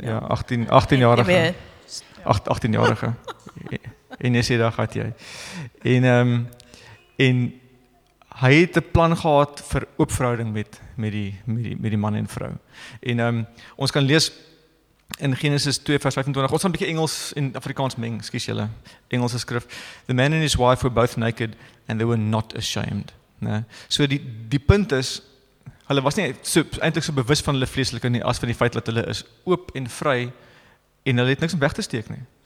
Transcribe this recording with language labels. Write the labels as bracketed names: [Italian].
[Afrikaans] Ja, 18-jarige. 18-jarige. En jy sê daar gat jy. En en hy het 'n plan gehad vir oopverhouding met die man en vrou. En ons kan lees in Genesis 2:25. Ons gaan 'n bietjie Engels en Afrikaans meng, skus julle. Engelse skrif. [English] The man and his wife were both naked and they were not ashamed. [Afrikaans] Né? So die punt is hulle was nie so eintlik so bewus van hulle vleeslike nie as van die feit dat hulle is oop en vry en hulle het niks om weg te steek nie.